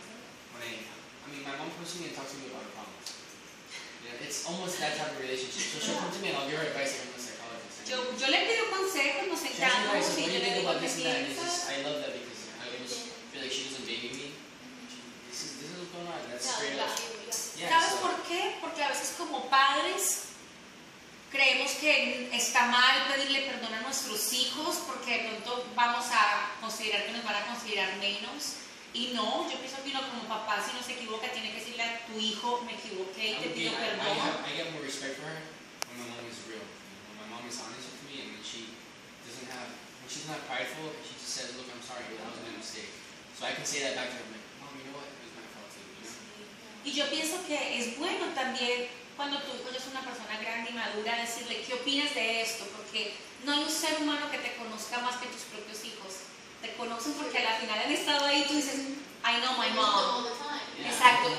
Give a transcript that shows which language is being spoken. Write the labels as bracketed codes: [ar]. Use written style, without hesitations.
[en] I mean, my mom comes to me and talks to me about her problems. You know, it's almost that type of relationship. So she'll come to me and I'll give her advice. I'm a psychologist. [es] Yo le pido consejos, nos sentamos. [en] What do you think about this and that? And it's just, I love that because I almost feel like she doesn't baby me. This is what's going on. That's straight up. Yeah, [es] ¿sabes por qué? Porque a veces como padres creemos que está mal pedirle perdón a nuestros hijos porque de pronto vamos a considerar que nos van a considerar menos. Y no, yo pienso que uno como papá, si no se equivoca, tiene que decirle a tu hijo, me equivoqué y te pido perdón. [en] I get more respect for her when my mom is real. When my mom is honest with me and when she doesn't have, when she's not prideful, she just says, look, I'm sorry, that was my mistake. So I can say that back to her, like, mom, you know what? It was my fault too, you know? [es] Y yo pienso que es bueno también cuando tu hijo es una persona grande y madura, decirle, ¿qué opinas de esto? Porque no hay un ser humano que te conozca más que tus propios hijos. Te conocen porque al final han estado ahí y tú dices, [en] I know my mom. Yeah. [es] Exacto.